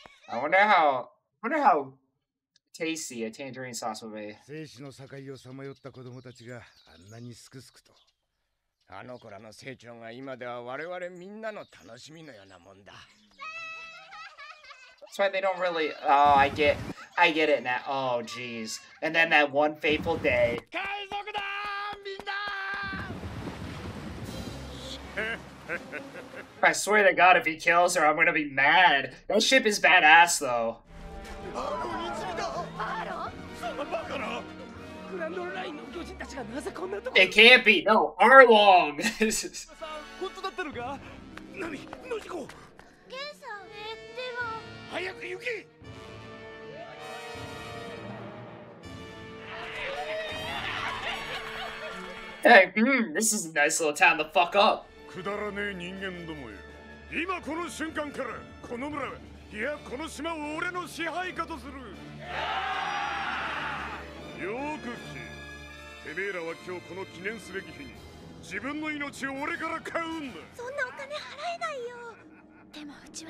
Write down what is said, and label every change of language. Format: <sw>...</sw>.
<en>I wonder how tasty a tangerine sauce would be.</en> <ja>生死の境をさまよった子供たちがあんなにすくすくと。あの子らの成長が今では我々みんなの楽しみのようなもんだ。</ja> <en>That's why they don't really. Oh, I get it now. Oh, jeez. And then that one fateful day. I swear to God, if he kills her, I'm gonna be mad. That ship is badass, though. It can't be. No, Arlong. This is a nice little town to fuck up.</en> <ja>くだらねえ人間どもよ。今この瞬間から、この村は、いやこの島を俺の支配下とする。よーく聞け。てめえらは今日この記念すべき日に、自分の命を俺から買うんだ。そんなお金払えないよ。</ja>